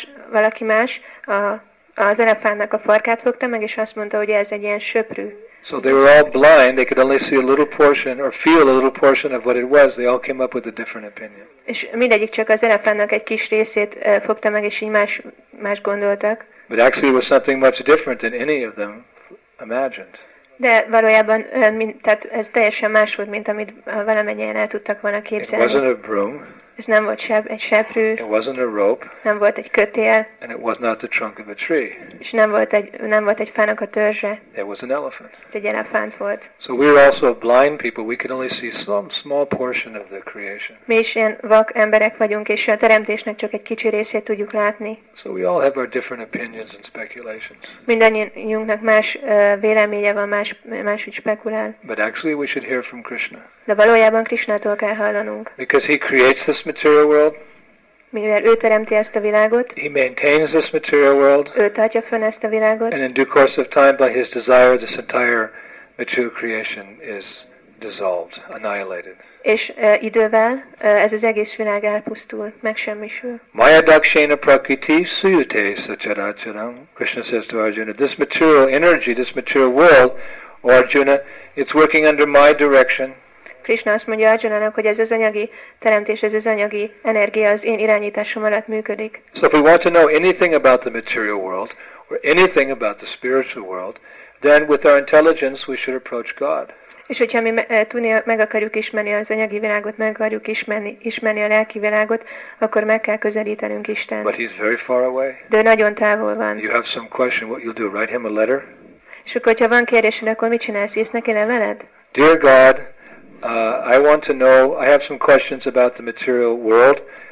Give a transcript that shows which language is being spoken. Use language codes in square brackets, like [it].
[hu] Valaki más az elefántnak a farkát fogta meg, és azt mondta, hogy ez egy ilyen söprű. [en] So they were all blind. They could only see a little portion or feel a little portion of what it was. They all came up with a different opinion. [hu] És mindegyik csak az elefántnak egy kis részét fogta meg, és így más gondoltak. [en] But actually, it was something much different than any of them imagined. [hu] De valójában, tehát ez teljesen más volt, mint amit valamennyien el tudtak volna képzelni. [en] It wasn't a broom. [hu] Ez nem volt egy seprű. [en] It wasn't a rope. [hu] Nem volt egy kötél. [en] And it was not the trunk of a tree. [hu] És nem volt egy fának a törzse. [en] It was an elephant. [hu] Ez egy elefánt volt. [en] So we were also blind people. We could only see some small portion of the creation. [hu] Mi is ilyen vak emberek vagyunk, és a teremtésnek csak egy kicsi részét tudjuk látni. [en] So we all have our different opinions and speculations. [hu] Mindannyiunknak más véleménye van, más úgy spekulál. [en] But actually we should hear from Krishna. [hu] De valójában Krishnától kell hallanunk. [en] Because he creates this material world. [hu] Mivel ő teremti ezt a világot. [en] He maintains this material world. [hu] Ő tartja fönn ezt a világot. [en] And in due course of time, by his desire, this entire material creation is dissolved, annihilated. [hu] És idővel ez az egész világ elpusztul, megsemmisül. [sa] Maya dakshina prakriti suyute sacharacharam. [en] Krishna says to Arjuna, this material energy, this material world, Arjuna, it's working under my direction. [hu] Krishna azt mondja Arjunának, hogy ez az anyagi teremtés, ez az anyagi energia az én irányításom alatt működik. [en] So if we want to know anything about the material world or anything about the spiritual world, then with our intelligence we should approach God. [hu] És hogyha mi tudni meg akarjuk ismerni az anyagi világot, meg akarjuk ismerni a lelki világot, akkor meg kell közelítenünk Istent. [en] But he's very far away. [hu] De ő nagyon távol van. [en] You have some question, what you'll do? Write him a letter. [hu] És akkor, hogyha van kérdésed, akkor mit csinálsz? Írsz neki levelet? [en] Dear God, I want to know, I have some questions about the material world.